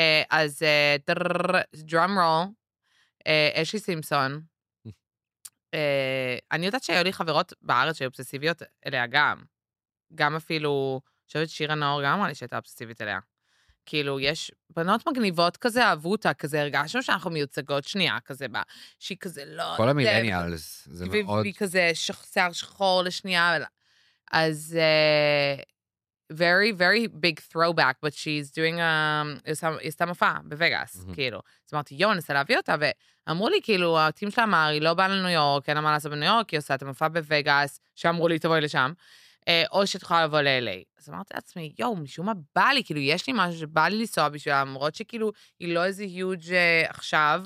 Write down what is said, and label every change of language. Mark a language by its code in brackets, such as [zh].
[he] אז דרום רול, אשלי סימפסון, אני יודעת שהיו לי חברות בארץ שהיו אובססיביות אליה גם. גם אפילו... אני חושבת שירה נאור גם אמרה לי שהייתה אובססיבית אליה. כאילו, יש בנות מגניבות כזה, אהבו אותה כזה, הרגשנו שאנחנו מיוצגות שנייה כזה בה, שהיא כזה לא... כל המילניאלס, זה מאוד... והיא כזה שיער שחור לשנייה, אז... [en] very, very big throwback, but she's doing... [he] היא עשתה מופע בווגאס, כאילו. אז אמרתי, יו, אני אנסה להביא אותה, ואמרו לי, כאילו, הטים שלה אמר, היא לא באה לניו יורק, אין לה מה לעשות בניו יורק, היא עושה את המופע בווגאס, שאמרו לי, תבואי לשם. או שאת יכולה לבוא ל-LA. אז אמרתי לעצמי, יו, משום מה בא לי, כאילו, יש לי משהו שבא לי לנסוע בשבילה, למרות שכאילו, היא לא איזה huge עכשיו,